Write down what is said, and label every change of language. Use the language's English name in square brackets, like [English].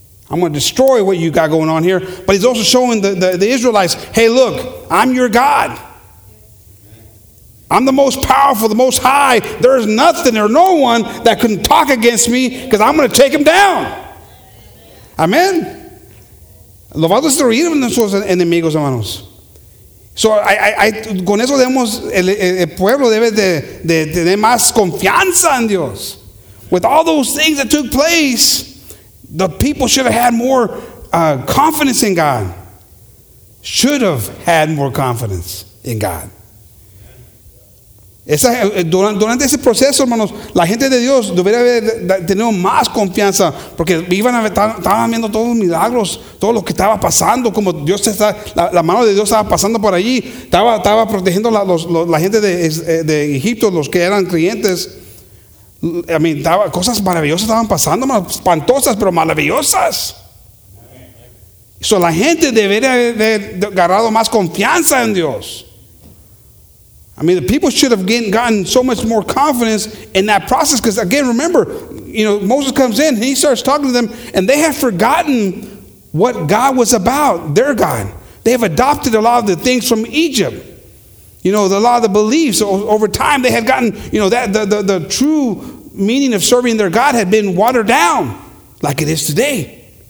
[English] I'm going to destroy what you got going on here. But he's also showing the Israelites, hey, look, I'm your God. I'm the most powerful, the most high. There is nothing or no one that can talk against me because I'm going to take him down. Amen. [Spanish] Lo vamos a destruir a nuestros enemigos, hermanos. So I con eso debemos el pueblo debe de tener más confianza en Dios. [English] With all those things that took place, the people should have had more confidence in God. Should have had more confidence in God. [Spanish] Durante ese proceso, hermanos, la gente de Dios debería haber tenido más confianza porque estaban viendo todos los milagros, todo lo que estaba pasando, como Dios está, la mano de Dios estaba pasando por allí, estaba protegiendo la gente de Egipto, los que eran creyentes. [English] I mean, [Spanish] cosas maravillosas estaban pasando, espantosas, pero maravillosas. So la gente debería haber agarrado más confianza en Dios. [English] I mean, the people should have gotten so much more confidence in that process. Because again, remember, you know, Moses comes in, he starts talking to them, and they have forgotten what God was about, their God. They have adopted a lot of the things from Egypt. You know, a lot of the beliefs over time, they had gotten, you know, that the true meaning of serving their God had been watered down like it is today.